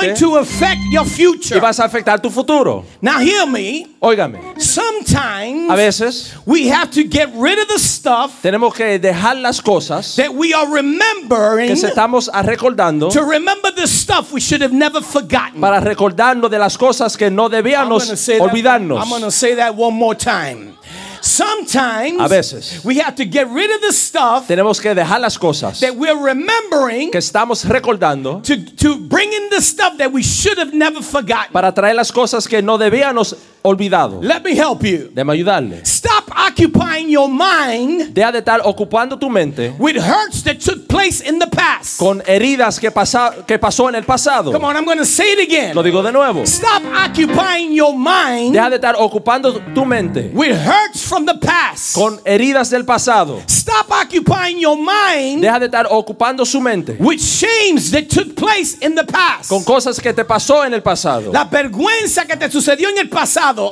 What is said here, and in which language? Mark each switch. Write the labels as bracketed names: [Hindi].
[English] it's going to affect your future. [Spanish] Y vas a afectar tu futuro. [English] Now hear me. [Spanish] Óigame. [English] Sometimes, [Spanish] a veces, [English] we have to get rid of the stuff, [Spanish] tenemos que dejar las cosas [English] that we are remembering, [Spanish] que estamos recordando, [English] to remember the stuff we should have never forgotten, [Spanish] para recordarnos de las cosas que no debíamos olvidarnos. [English] I'm gonna say that one more time. Sometimes, [Spanish] a veces, [English] we have to get rid of the stuff, [Spanish] tenemos que dejar las cosas, [English] that we're remembering, [Spanish] que estamos recordando, [English] to bring in the stuff that we should have never forgotten, [Spanish] para traer las cosas que no debíamos olvidado. [English] Let me help you. [Spanish] Déjame ayudarle. [English] Stop occupying your mind, [Spanish] deja de estar ocupando tu mente, [English] with hurts that took place in the past, [Spanish] con heridas que pasó en el pasado. [English] Come on, I'm going to say it again. [Spanish] Lo digo de nuevo. [English] Stop occupying your mind, [Spanish] deja de estar ocupando tu mente, [English] with hurts from the past, [Spanish] con heridas del pasado. [English] Stop occupying your mind, [Spanish] deja de estar ocupando su mente, [English] with shames that took place in the past, [Spanish] con cosas que te pasó en el pasado, la vergüenza que te sucedió en el pasado,